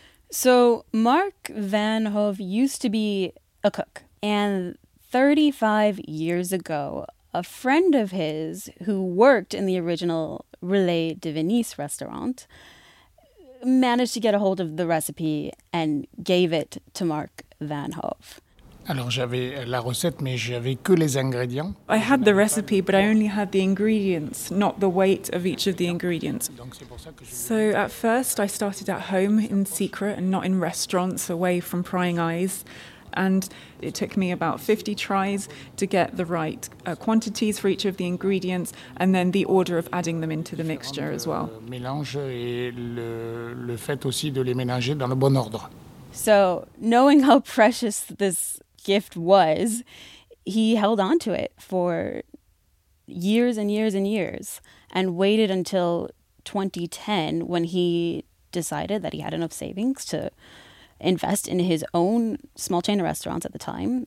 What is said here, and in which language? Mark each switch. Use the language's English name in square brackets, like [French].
[English] So Mark Van Hove used to be a cook. And 35 years ago, a friend of his who worked in the original Relais de Venise restaurant managed to get a hold of the recipe and gave it to Mark Van Hove. [French] Alors j'avais la recette, mais j'avais que les ingrédients. [English] I had the recipe, but I only had the ingredients, not the weight of each of the ingredients. So at first, I started at home in secret and not in restaurants, away from prying eyes. And it took me about 50 tries to get the right quantities for each of the ingredients and then the order of adding them into the mixture as well. [French] Mélange et le fait aussi de les mélanger dans le bon ordre. [English] So knowing how precious this gift was, he held on to it for years and years and years and waited until 2010 when he decided that he had enough savings to invest in his own small chain of restaurants at the time.